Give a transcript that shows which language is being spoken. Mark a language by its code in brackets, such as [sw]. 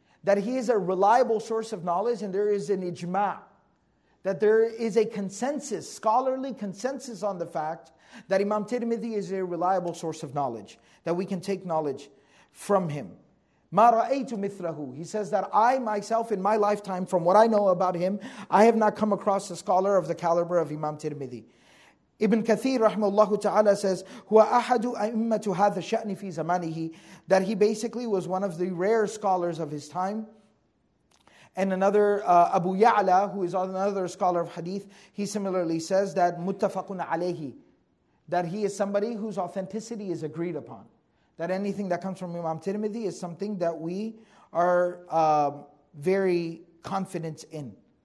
[en] That he is a reliable source of knowledge, and there is an ijma', that there is a consensus, scholarly consensus on the fact that Imam Tirmidhi is a reliable source of knowledge, that we can take knowledge from him. [ar] مَا رَأَيْتُ مِثْرَهُ. [en] He says that I myself in my lifetime, from what I know about him, I have not come across a scholar of the caliber of Imam Tirmidhi. Ibn Kathir rahimahullah ta'ala says, [ar] هُوَ أَحَدُ أَئِمَّةُ هَذَا الشَّأْنِ فِي زَمَانِهِ. [en] That he basically was one of the rare scholars of his time. And another, Abu Ya'la, who is another scholar of hadith, he similarly says that [ar] مُتَّفَقٌ عَلَيْهِ. [en] That he is somebody whose authenticity is agreed upon. That anything that comes from Imam Tirmidhi is something that we are very confident in.